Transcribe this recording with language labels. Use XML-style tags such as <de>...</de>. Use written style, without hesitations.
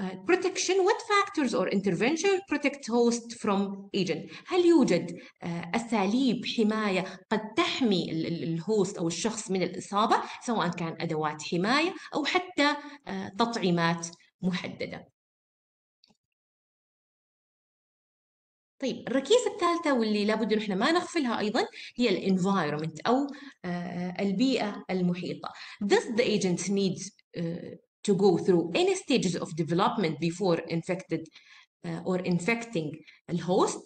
<en>Protection, what factors or intervention protect host from agent?</en> <ar>هل يوجد أساليب حماية قد تحمي الهوست أو الشخص من الإصابة، سواء كان أدوات حماية أو حتى تطعيمات محددة؟ طيب، الركيزة الثالثة واللي لابد نحن ما نغفلها أيضا هي الـ environment أو البيئة المحيطة.</ar> <en>Does the agent need to go through any stages of development before infected or infecting the host?</en>